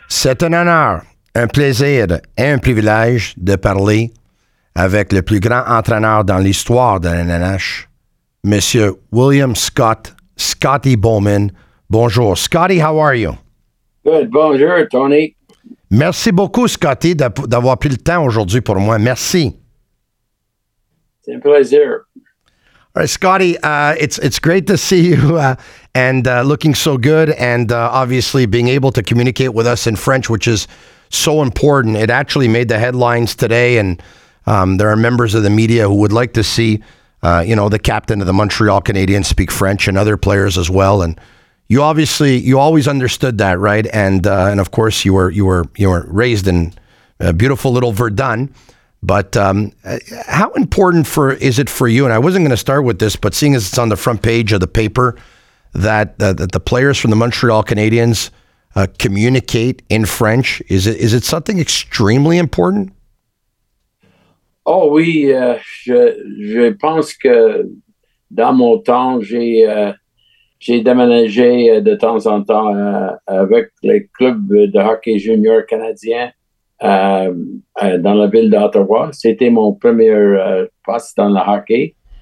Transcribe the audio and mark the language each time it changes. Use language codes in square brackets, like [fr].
[fr] C'est un honneur, un plaisir et un privilège de parler avec le plus grand entraîneur dans l'histoire de la NNH, M. William Scott, Scotty Bowman. Bonjour, Scotty, [en] how are you? Good, bonjour, Tony. [fr] Merci beaucoup, Scotty, d'avoir pris le temps aujourd'hui pour moi. Merci. C'est un plaisir. [en] All right, Scotty, it's great to see you and looking so good and obviously being able to communicate with us in French, which is so important. It actually made the headlines today, and there are members of the media who would like to see, the captain of the Montreal Canadiens speak French and other players as well. And you always understood that, right? And of course, you were raised in beautiful little Verdun. But how important is it for you? And I wasn't going to start with this, but seeing as it's on the front page of the paper that the players from the Montreal Canadiens communicate in French, is it something extremely important? [fr] Oh oui, je pense que dans mon temps, j'ai déménagé de temps en temps avec les clubs de hockey junior canadiens. Dans la ville d'Ottawa. C'était mon premier poste dans le hockey.